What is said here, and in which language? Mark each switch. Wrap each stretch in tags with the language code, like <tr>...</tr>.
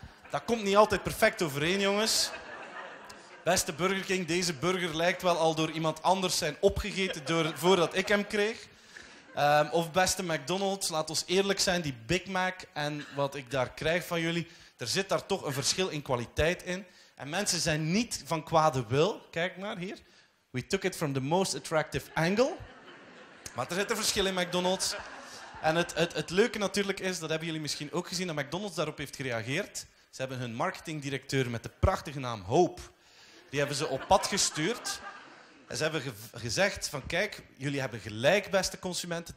<nl>Dat komt niet altijd perfect overeen, jongens. Beste Burger King, deze burger lijkt wel al door iemand anders zijn opgegeten voordat ik hem kreeg. Of beste McDonald's, laat ons eerlijk zijn, die Big Mac en wat ik daar krijg van jullie, er zit daar toch een verschil in kwaliteit in. En mensen zijn niet van kwade wil. Kijk maar hier.</nl> <en>We took it from the most attractive angle.</en> <nl>Maar er zit een verschil in McDonald's. En het leuke natuurlijk is, dat hebben jullie misschien ook gezien, dat McDonald's daarop heeft gereageerd. Ze hebben hun marketingdirecteur met de prachtige naam Hope Die hebben ze op pad gestuurd. En ze hebben gezegd van kijk, jullie hebben gelijk, beste consumenten.</nl>